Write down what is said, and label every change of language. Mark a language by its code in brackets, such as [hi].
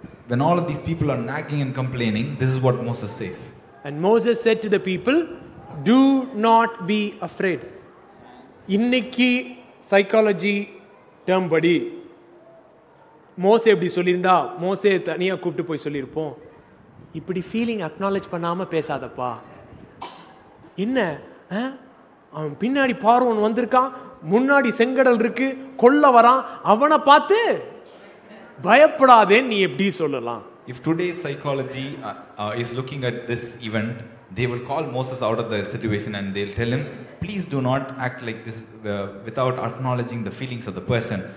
[en] When all of these people are nagging and complaining, this is what Moses says. And Moses said to the people, do not be afraid. [ta] இன்னைக்கு psychology term படி மோசே எப்படி சொல்லியிருந்தா, மோசே தனியாக கூப்பிட்டு போய் சொல்லியிருப்போம், இப்படி ஃபீலிங் அக்னாலேஜ் பண்ணாமல் பேசாதப்பா. என்ன அவன் பின்னாடி பார்வன் வந்திருக்கான், முன்னாடி செங்கடல் இருக்கு, கொல்ல வரான், அவனை பார்த்து பயப்படாதேன்னு நீ எப்படி சொல்லலாம்? [en] If today's psychology is looking at this event, they will call Moses out of the situation and they'll tell him, please do not act like this without acknowledging the feelings of the person.